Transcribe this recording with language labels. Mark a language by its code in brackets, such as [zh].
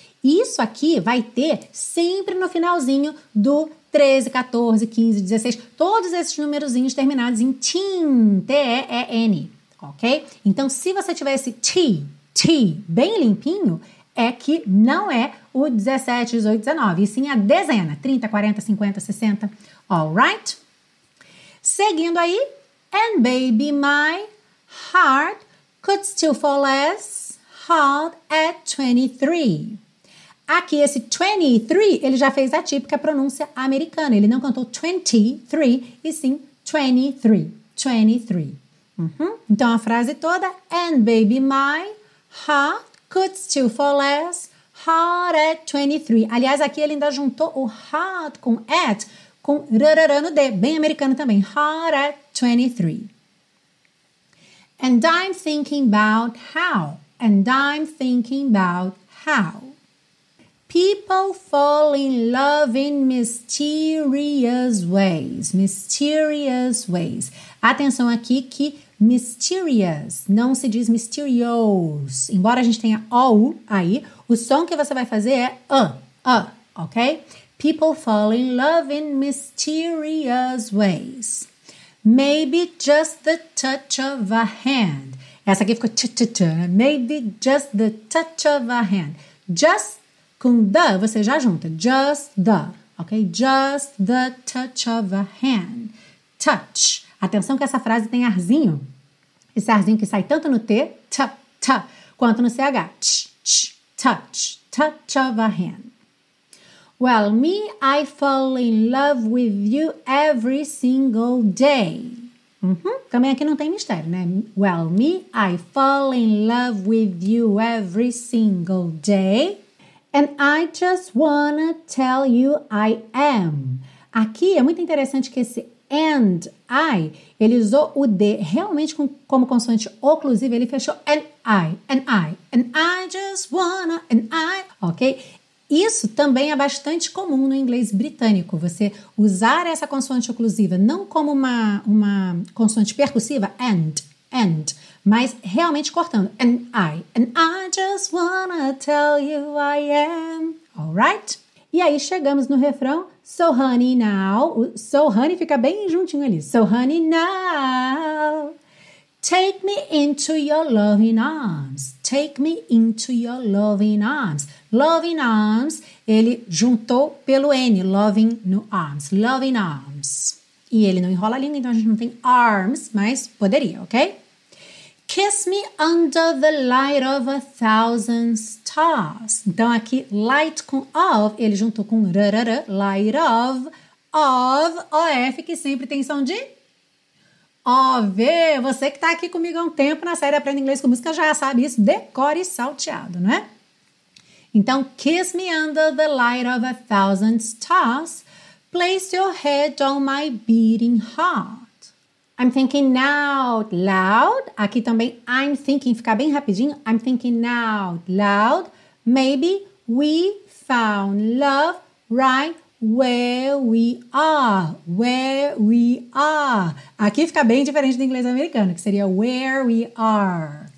[pt] Isso aqui vai ter sempre no finalzinho do 13, 14, 15, 16, todos esses numerozinhos terminados em teen, T-E-E-N, ok? Então, se você tiver esse T, T, bem limpinho, é que não é o 17, 18, 19, e sim a dezena, 30, 40, 50, 60, alright? Seguindo aí, [en] and baby, my heart could still fall as hard at 23. [pt] Aqui, esse 23, ele já fez a típica pronúncia americana. Ele não cantou 23, e sim 23, 23. Uhum. Então, a frase toda, [en] and baby, my heart could still fall as hard at 23. [pt] Aliás, aqui ele ainda juntou o hard com at, com rarara no D, bem americano também. [en] Hard at 23. And I'm thinking about how. And I'm thinking about how. People fall in love in mysterious ways. Mysterious ways. [pt] Atenção aqui que mysterious não se diz mysterious. Embora a gente tenha ou aí, o som que você vai fazer é ok? [en] People fall in love in mysterious ways. Maybe just the touch of a hand. [pt] Essa aqui ficou t-t-t. [en] Maybe just the touch of a hand. [pt] Just com the, você já junta. [en] Just the, ok? Just the touch of a hand. Touch. [pt] Atenção que essa frase tem arzinho. Esse arzinho que sai tanto no T, t, t, quanto no CH. Ch, ch, [en] touch. Touch of a hand. Well, me, I fall in love with you every single day. Uhum. [pt] Também aqui não tem mistério, né? [en] Well, me, I fall in love with you every single day. And I just wanna tell you I am. [pt] Aqui é muito interessante que esse and I, ele usou o D realmente como consoante oclusiva, ele fechou and I [en] just wanna, and I, ok? [pt] Isso também é bastante comum no inglês britânico, você usar essa consoante oclusiva não como uma consoante percussiva, and, mas realmente cortando. [en] And I just wanna tell you I am. [pt] Alright? E aí chegamos no refrão. [en] So honey now. [pt] So honey fica bem juntinho ali. [en] So honey now. Take me into your loving arms. Take me into your loving arms. Loving arms. [pt] Ele juntou pelo N. [en] Loving no arms. Loving arms. [pt] E ele não enrola a língua, então a gente não tem arms, mas poderia, ok? [en] Kiss me under the light of 1,000 stars. [pt] Então, aqui, light com of, ele juntou com rarara, light of, of, que sempre tem som de of. Você que está aqui comigo há um tempo na série Aprenda Inglês com Música já sabe isso, decore salteado, não é? [en] Então, kiss me under the light of 1,000 stars, place your head on my beating heart. I'm thinking out loud. [pt] Aqui também, [en] I'm thinking, fica bem rapidinho. I'm thinking out loud. Maybe we found love right where we are. Where we are. [pt] Aqui fica bem diferente do inglês americano, que seria where we are.